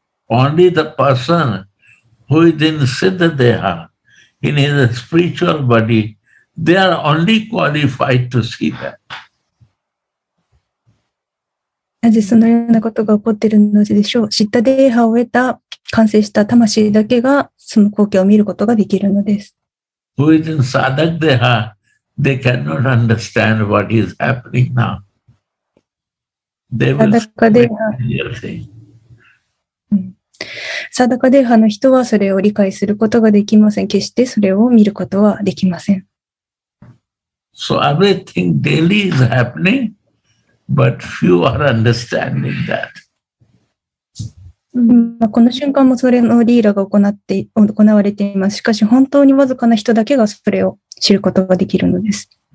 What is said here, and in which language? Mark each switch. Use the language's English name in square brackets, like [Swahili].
[English] Only the person who is in Siddha Deha, in his spiritual body, they are only qualified to see that. [Japanese] なぜそのようなことが起こっているのでしょう。シッダデーハを得た完成した魂だけがその光景を見ることができるのです。 [English] Who is in Sadak Deha, they cannot understand what is happening now. They will see everything. [Japanese] サダカデーハの人はそれを理解することができません。決してそれを見ることはできません。 [English] So everything daily is happening, but few are understanding that. [Japanese] まあ、この瞬間もそれのリーラが行われています。しかし本当にわずかな人だけがそれを知ることができるのです。